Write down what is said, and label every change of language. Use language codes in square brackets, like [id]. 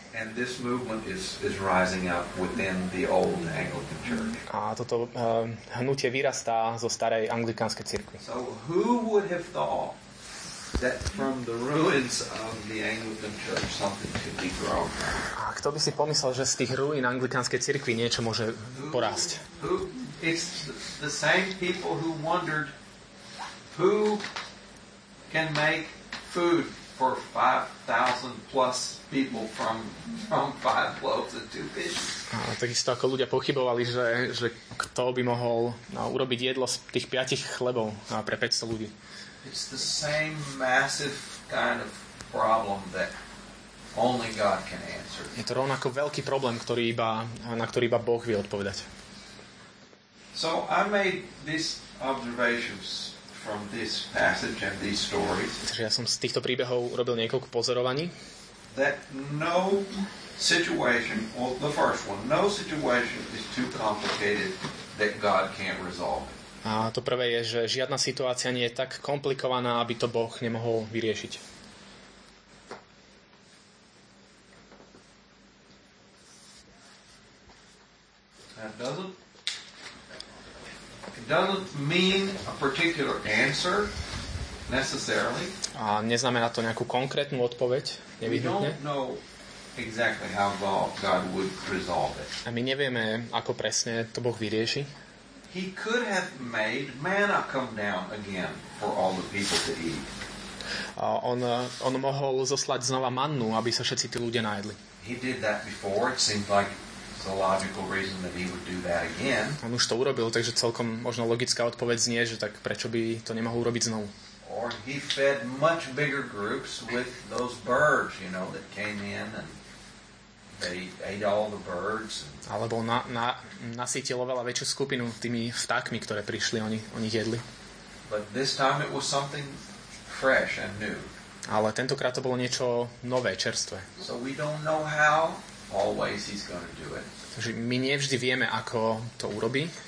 [en] And this movement is rising up within the old Anglican church. [sk] A toto hnutie vyrastá zo starej anglikánskej cirkvi. [en] So who would have thought that from the ruins of the Anglican church something could be grown? [sk] A kto by si pomyslel, že z tých ruín anglikánskej cirkvi niečo môže porásť? [en] It's the same people who wondered who can make food for 5,000 plus people from 5 loaves and 2 fishes. [sk] A takisto ako ľudia pochybovali, že kto by mohol urobiť jedlo z tých 5 chlebov pre 500 ľudí. [en] It's the same massive kind of problem that only God can answer. [sk] Je to rovnako veľký problém, na ktorý iba Boh vie odpovedať. [en] So I made these observations from this passage and these stories. [sk] Takže ja som z týchto príbehov urobil niekoľko pozorovaní. [en] That no situation, well, the first one, no situation is too complicated that God can't resolve. [sk] A to prvé je, že žiadna situácia nie je tak komplikovaná, aby to Boh nemohol vyriešiť. [en] Doesn't mean a particular answer necessarily. [sk] A neznamená to nejakú konkrétnu odpoveď, nevyhnutne. [en] We don't know exactly how God would resolve it. [sk] A my nevieme, ako presne to Boh vyrieši. [en] He could have made manna come down again for all the people to eat. [sk] A on mohol zoslať znova mannu, aby sa všetci tí ľudia najedli. [en] He did that before, it seems like the logical reason that he would do that again. [sk] On už to urobil, takže celkom možno logická odpoveď znie, že tak prečo by to nemohol urobiť znovu. [en] Or he fed much bigger groups with those birds, you know, that came in and they ate all the birds. [sk] Alebo nasýtil oveľa väčšiu skupinu tými vtákmi, ktoré prišli, oni ich jedli. [en] But this time it was something fresh and new. [sk] Ale tentokrát to bolo niečo nové, čerstvé. [en] So we don't know how always he's going to do it. [sk] Takže my nevždy vieme, ako to urobí.